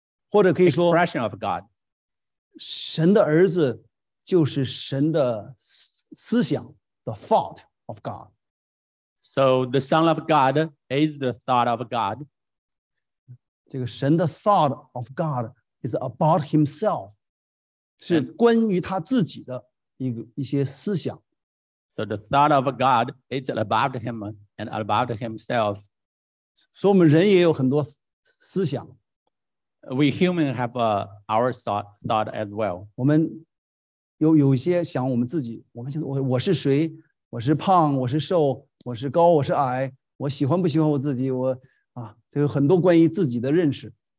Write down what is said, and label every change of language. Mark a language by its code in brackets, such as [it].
[zh] 或者可以说 [en] expression of God. [zh] 神的儿子就是神的思想 [en] the thought of God. So the Son of God is the thought of God. [zh] 这个神的 [en] thought of God is about himself. [zh] 是关于他自己的一些思想。 [en] So the thought of God is about him and about himself. [zh] 所以我们人也有很多思想。 [en] We humans have our thought as well. [zh] 我们有一些想我们自己，我们现在我是谁，我是胖，我是瘦，我是高，我是矮，我喜欢不喜欢我自己，我啊，这有很多关于自己的认识。